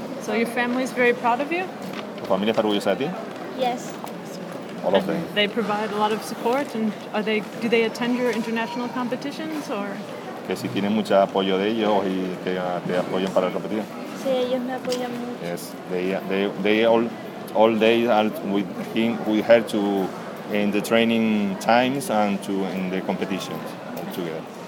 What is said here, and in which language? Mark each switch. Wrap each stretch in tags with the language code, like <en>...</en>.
<en>So your family is very proud of you?</en> <es>¿Tu familia está orgullosa de ti?</es> <en>Yes. All of them. They provide a lot of support, and are they? Do they attend your international competitions or?</en> <es>Que si tienen mucho apoyo de ellos y que te apoyen para competir. Sí, ellos me apoyan mucho.</es> <en>Yes, they all day are with him, with her to in the training times and to in the competitions all together.</en>